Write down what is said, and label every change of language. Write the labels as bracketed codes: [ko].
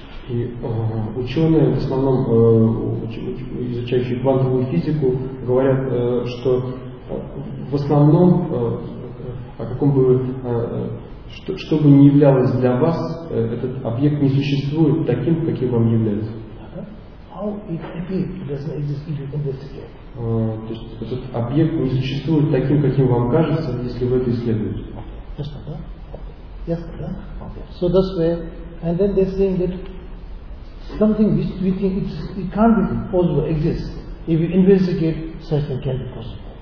[ru] И ученые, в основном изучающие квантовую физику, говорят, что в основном, о каком бы, что бы ни являлось для вас, этот объект не существует таким, каким вам является. [en] How it appears, it doesn't exist if you investigate. [ru] То есть этот объект не существует таким, каким вам кажется, если вы это исследуете. [en] Yes, sir. Yes, sir. Okay. So that's where, and then they're saying that something which we think it can't be possible exists. If you investigate, such thing can't be possible.